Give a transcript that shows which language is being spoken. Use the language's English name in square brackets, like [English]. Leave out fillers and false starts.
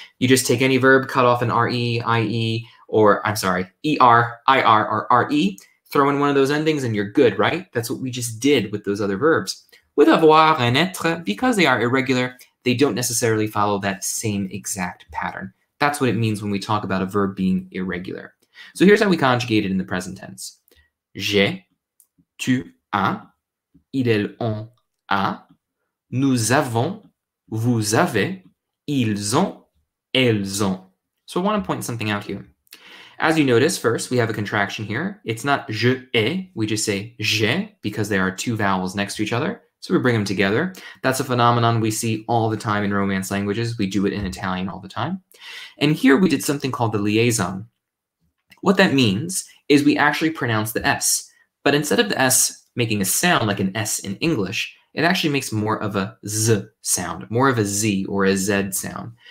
[English] You just take any verb, cut off an RE, IE, or I'm sorry, ER, IR, or RE, throw in one of those endings and you're good, right? That's what we just did with those other verbs. With avoir and être, because they are irregular, they don't necessarily follow that same exact pattern. That's what it means when we talk about a verb being irregular. So here's how we conjugate it in the present tense. [French] J'ai, tu as, il, elle, on a, nous avons, vous avez, ils ont, elles ont. [English] So I want to point something out here. As you notice, first, we have a contraction here. It's not je ai, we just say j'ai, because there are two vowels next to each other. So we bring them together. That's a phenomenon we see all the time in Romance languages. We do it in Italian all the time. And here we did something called the liaison. What that means is we actually pronounce the S, but instead of the S making a sound like an S in English, it actually makes more of a z sound, more of a z or a z sound.